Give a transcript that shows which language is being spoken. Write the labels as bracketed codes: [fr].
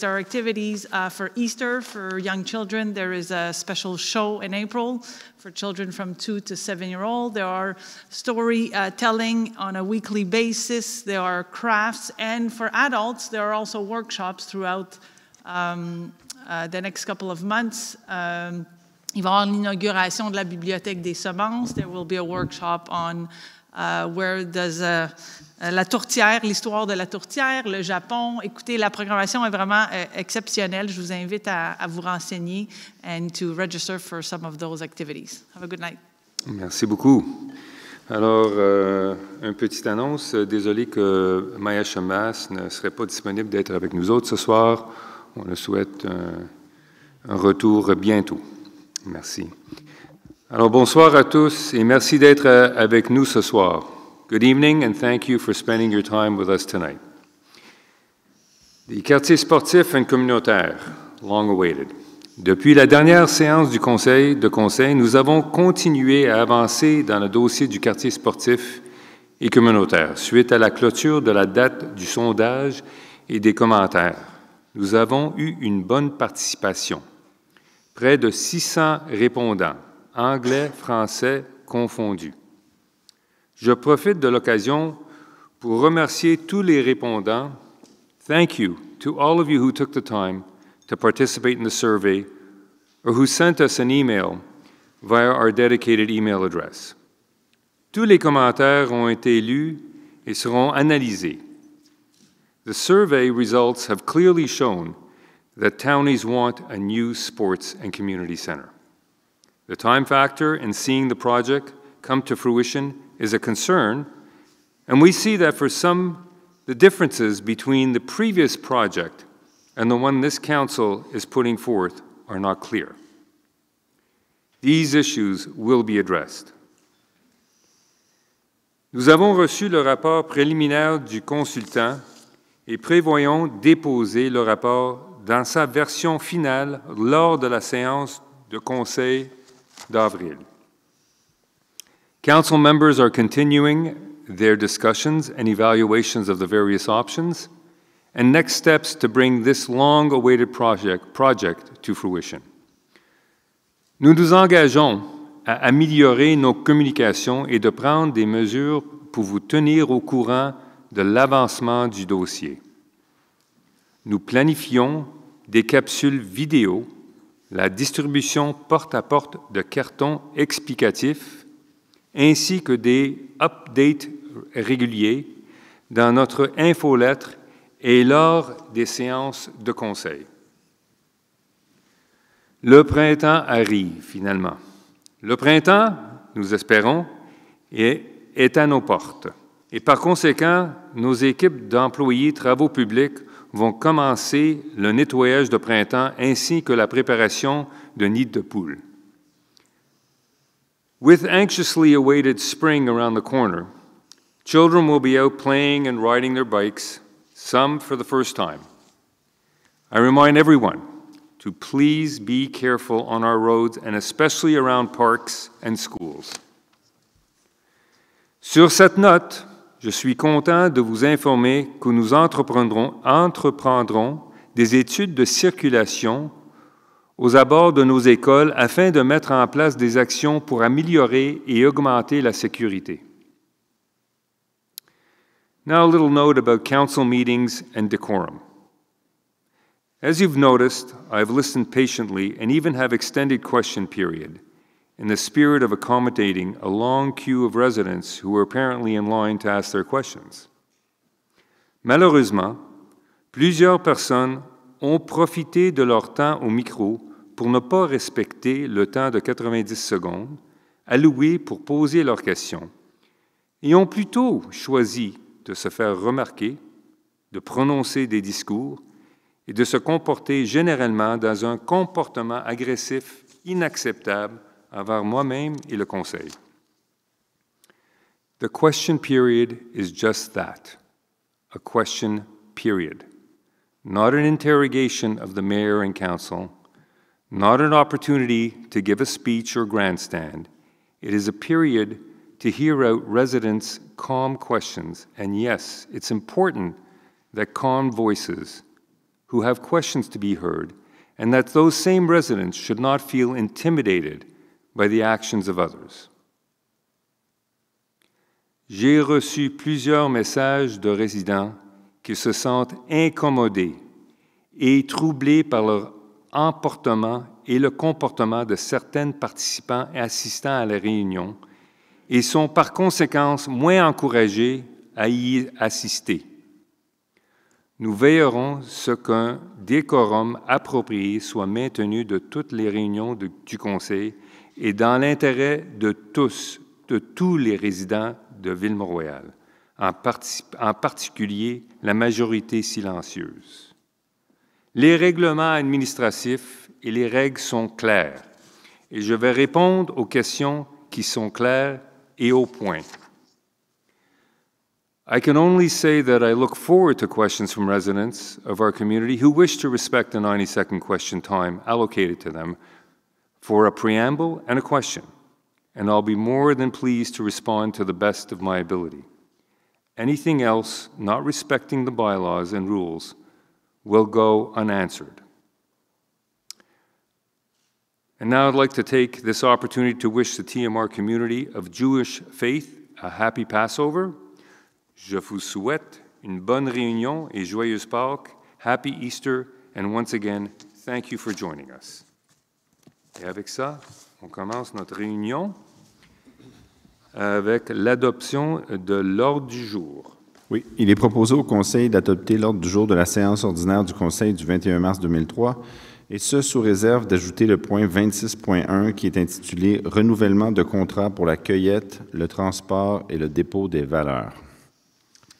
[en] There are activities for Easter for young children. There is a special show in April for children from 2 to 7-year-old. There are story telling on a weekly basis. There are crafts. And for adults, there are also workshops throughout the next couple of months. [fr] Il va y avoir l'inauguration de la Bibliothèque des Semences. [en] There will be a workshop on where does [fr] la tourtière, l'histoire de la tourtière, le Japon. Écoutez, la programmation est vraiment exceptionnelle. Je vous invite à vous renseigner [en] and to register for some of those activities. Have a good night. [fr] Merci beaucoup. Alors, une petite annonce. Désolé que Maya Chamas ne serait pas disponible d'être avec nous autres ce soir. On le souhaite un retour bientôt. Merci. Alors, bonsoir à tous et merci d'être avec nous ce soir. [en] Good evening, and thank you for spending your time with us tonight. [fr] Les quartiers sportifs et communautaires, [en] long awaited. [fr] Depuis la dernière séance du conseil, nous avons continué à avancer dans le dossier du quartier sportif et communautaire suite à la clôture de la date du sondage et des commentaires. Nous avons eu une bonne participation. Près de 600 répondants, anglais, français confondus. Je profite de l'occasion pour remercier tous les répondants. [en] Thank you to all of you who took the time to participate in the survey or who sent us an email via our dedicated email address. [fr] Tous les commentaires ont été lus et seront analysées. [en] The survey results have clearly shown that townies want a new sports and community center. The time factor in seeing the project come to fruition is a concern, and we see that for some, the differences between the previous project and the one this council is putting forth are not clear. These issues will be addressed. [fr] Nous avons reçu le rapport préliminaire du consultant et prévoyons déposer le rapport dans sa version finale lors de la séance de conseil d'avril. [en] Council members are continuing their discussions and evaluations of the various options and next steps to bring this long-awaited project to fruition. [fr] Nous nous engageons à améliorer nos communications et de prendre des mesures pour vous tenir au courant de l'avancement du dossier. Nous planifions des capsules vidéo, la distribution porte-à-porte de cartons explicatifs, ainsi que des updates réguliers dans notre infolettre et lors des séances de conseil. Le printemps arrive, finalement. Le printemps, nous espérons, est à nos portes. Et par conséquent, nos équipes d'employés travaux publics vont commencer le nettoyage de printemps ainsi que la préparation de nids de poules. [en] With anxiously awaited spring around the corner, children will be out playing and riding their bikes, some for the first time. I remind everyone to please be careful on our roads and especially around parks and schools. [fr] Sur cette note, je suis content de vous informer que nous entreprendrons des études de circulation aux abords de nos écoles afin de mettre en place des actions pour améliorer et augmenter la sécurité. [en] Now a little note about council meetings and decorum. As you've noticed, I've listened patiently and even have extended question period in the spirit of accommodating a long queue of residents who were apparently in line to ask their questions. [fr] Malheureusement, plusieurs personnes ont profité de leur temps au micro pour ne pas respecter le temps de 90 secondes alloué pour poser leurs questions et ont plutôt choisi de se faire remarquer, de prononcer des discours et de se comporter généralement dans un comportement agressif inacceptable envers moi-même et le conseil. [en] The question period is just that, a question period, not an interrogation of the mayor and council, not an opportunity to give a speech or grandstand. It is a period to hear out residents' calm questions. And yes, it's important that calm voices who have questions to be heard and that those same residents should not feel intimidated by the actions of others. [fr] J'ai reçu plusieurs messages de résidents qui se sentent incommodés et troublés par leur emportement et le comportement de certains participants et assistants à la réunion et sont par conséquent moins encouragés à y assister. Nous veillerons à ce qu'un décorum approprié soit maintenu de toutes les réunions du Conseil et dans l'intérêt de tous, de tous les résidents de Ville-Mont-Royal, en particulier la majorité silencieuse. Les règlements administratifs et les règles sont claires, et je vais répondre aux questions qui sont claires et au point. [en] I can only say that I look forward to questions from residents of our community who wish to respect the 90-second question time allocated to them for a preamble and a question, and I'll be more than pleased to respond to the best of my ability. Anything else not respecting the bylaws and rules will go unanswered. And now I'd like to take this opportunity to wish the TMR community of Jewish faith a happy Passover. [fr] Je vous souhaite une bonne réunion et joyeuse Pâques. [en] Happy Easter, and once again, thank you for joining us. [fr] Et avec ça, on commence notre réunion avec l'adoption de l'ordre du jour. Oui, il est proposé au Conseil d'adopter l'ordre du jour de la séance ordinaire du Conseil du 21 mars 2003, et ce, sous réserve d'ajouter le point 26.1 qui est intitulé « Renouvellement de contrat pour la cueillette, le transport et le dépôt des valeurs ».